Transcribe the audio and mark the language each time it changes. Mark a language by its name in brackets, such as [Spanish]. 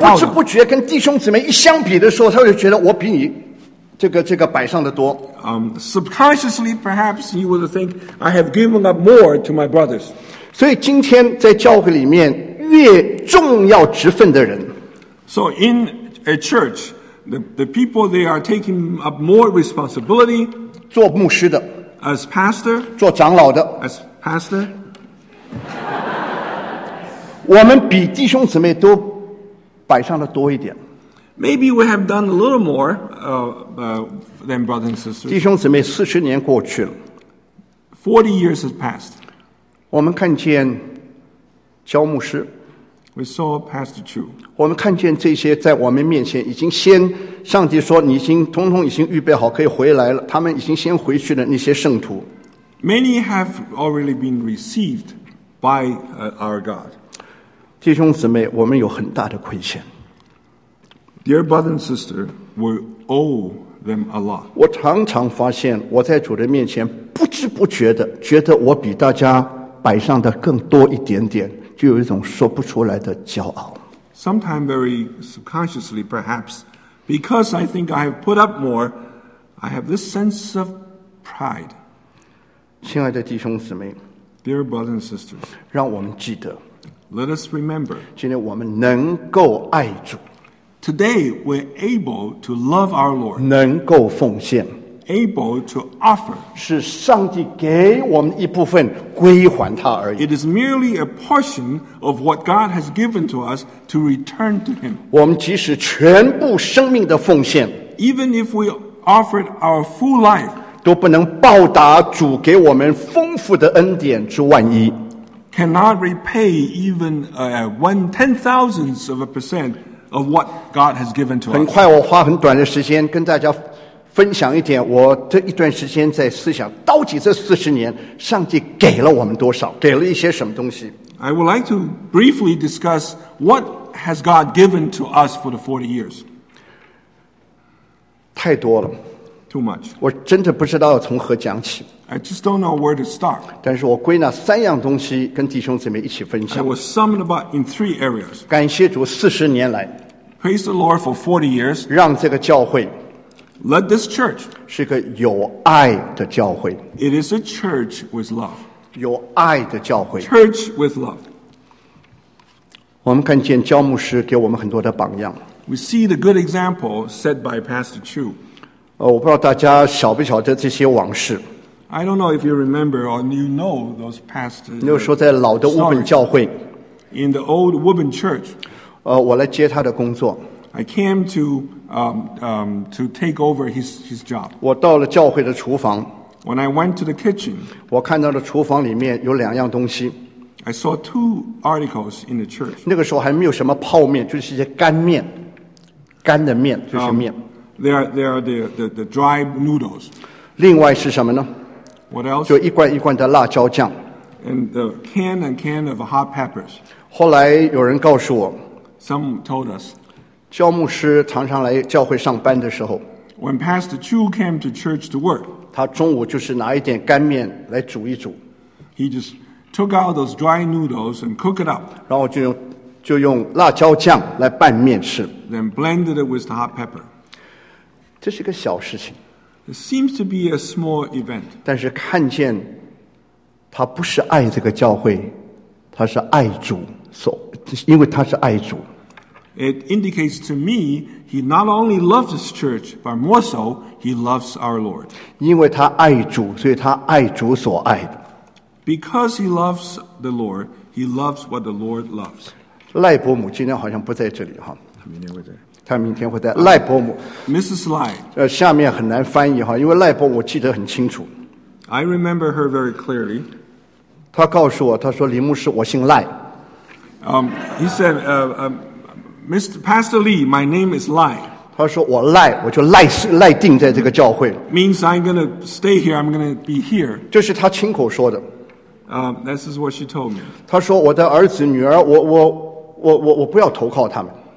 [Chinese] 然后不知不觉跟弟兄姊妹一相比的时候，他就觉得我比你这个摆上的多。 [English] Subconsciously, perhaps he would think I have given up more to my brothers. [Chinese] 所以今天在教会里面，越重要职分的人 [English] ，So in a church. The people they are taking up more responsibility. [Chinese] 做牧师的 [English] as pastor. [Chinese] 做长老的 [English] as pastor. [Chinese] 我们比弟兄姊妹都摆上的多一点。 [English] Maybe we have done a little more than brothers and sisters. [Chinese] 弟兄姊妹四十年过去了。 [English] 40 years has passed. [Chinese] 我们看见教牧师。 [English] We saw Pastor Chu. [Chinese] 我们看见这些在我们面前已经先上帝说你已经统统已经预备好可以回来了，他们已经先回去了那些圣徒。 [English] Many have already been received by our God. [Chinese] 弟兄姊妹，我们有很大的亏欠。 [English] Dear brother and sister, we owe them a lot. [Chinese] 我常常发现我在主的面前不知不觉的觉得我比大家摆上的更多一点点。就有一种说不出来的骄傲。 [English] Sometimes very subconsciously, perhaps, because I think I have put up more, I have this sense of pride. [Chinese] 亲爱的弟兄姊妹 [English] Dear brothers and sisters, [Chinese] 让我们记得 [English] Let us remember, [Chinese] 今天我们能够爱主 [English] Today, we're able to love our Lord. [Chinese] 能够奉献 [English] Able to offer [Chinese] 是上帝给我们一部分归还他而已。 [English] It is merely a portion of what God has given to us to return to Him. [Chinese] 我们即使全部生命的奉献 [English] ，Even if we offered our full life， [Chinese] 都不能报答主给我们丰富的恩典之万一。 [English] Cannot repay even one-tenth-thousandth of a percent of what God has given to us. [Chinese] 很快，我花很短的时间跟大家。分享一点我这一段时间在思想到底这四十年上帝给了我们多少给了一些什么东西 [English] I would like to briefly discuss what has God given to us for the 40 years [Chinese] 太多了 [English] Too much [Chinese] 我真的不知道从何讲起 [English] I just don't know where to start [Chinese] 但是我归纳三样东西跟弟兄姊妹一起分享 [English] I will sum it up in three areas [Chinese] 感谢主四十年来 [English] Praise the Lord for 40 years [Chinese] 让这个教会 [English] Let this church [Chinese] 是个有爱的教会。 [English] It is a church with love. [Chinese] 有爱的教会。 [English] Church with love. [Chinese] 我们看见教牧师给我们很多的榜样。 [English] We see the good example set by Pastor Chu. [Chinese] 我不知道大家晓不晓得这些往事。 [English] I don't know if you remember or you know those past. [Chinese] 那时候在老的乌本教会。 [English] In the old Woburn Church. [Chinese] 我来接他的工作。 [English] I came to to take over his job. [Chinese] 我到了教会的厨房。 [English] When I went to the kitchen, [Chinese] 我看到了厨房里面有两样东西。 [English] I saw two articles in the church. [Chinese] 那个时候还没有什么泡面，就是一些干面，干的面就是面。 [English] There are the dry noodles. [Chinese] 另外是什么呢 [English] ？What else? [Chinese] 就一罐一罐的辣椒酱。 [English] And the can and can of hot peppers. [Chinese] 后来有人告诉我, [English] Some told us, [Chinese] 教牧师常常来教会上班的时候, [English] when Pastor Chu came to church to work, [Chinese] 他中午就是拿一点干面来煮一煮, [English] he just took out those dry noodles and cooked it up, [Chinese] 然后就用辣椒酱来拌面吃, [English] then blended it with the hot pepper. [Chinese] 这是个小事情, [English] it seems to be a small event. [Chinese] 但是看见, 他不是爱这个教会, 他是爱主, so, 因为他是爱主。 [English] It indicates to me he not only loves his church, but more so, he loves our Lord. [Chinese] 因为他爱主, 所以他爱主所爱。 [English] Because he loves the Lord, he loves what the Lord loves. [Chinese] 赖伯母今天好像不在这里, 他明天会在。他明天会在, 赖伯母, [English] Mrs. Lai. [Chinese] 下面很难翻译, 因为赖伯母记得很清楚。 [English] I remember her very clearly. [Chinese] 他告诉我, 他说, 林牧师, 我姓赖。 [English] He said, Mr. Pastor Lee, my name is Lai. [Chinese] 他说, 我赖, 我就赖定在这个教会。 [English] Means I'm going to stay here, I'm going to be here. [Chinese] 这是他亲口说的。 [English] This is what she told me. [Chinese] 他说, 我的儿子, 女儿, 我不要投靠他们。